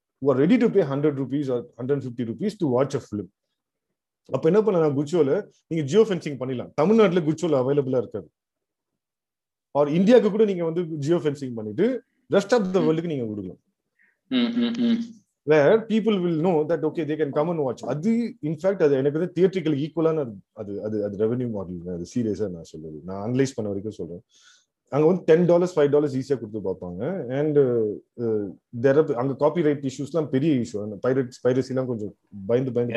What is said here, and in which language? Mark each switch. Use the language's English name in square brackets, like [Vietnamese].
[English] who are ready to pay 100 rupees or 150 rupees to watch a film. [Tamil] அப்ப என்ன பண்ணலாம், குச்சோல நீங்க ஜியோ ஃபென்சிங் பண்ணிடலாம். தமிழ்நாட்டுல குச்சோல அவைலபிளா இருக்காது, ஆர் இந்தியாவுக்கு கூட நீங்க வந்து ஜியோ ஃபென்சிங் பண்ணிட்டு ரெஸ்ட் ஆஃப் த வேர்ல்டுக்கு நீங்க கொடுக்கலாம். [English] Where people will know that, okay, they can come and watch. [Tamil] அது இன்ஃபேக்ட் அது எனக்கு வந்து தியேட்டரிக்கல் ஈக்குவலான அது அது அது ரெவன்யூ மாடல். அது சீரியஸா நான் சொல்றது, நான் அனலைஸ் பண்ண வரைக்கும் சொல்றேன். அங்க வந்து $10 $5 ஈஸியா கொடுத்து பார்ப்பாங்க. அண்ட் அங்க காப்பி ரைட் இஷ்யூஸ் எல்லாம் பெரிய இஷ்யூ. அந்த பைரட்ஸ் பைரசி எல்லாம் கொஞ்சம் பயந்து பயந்து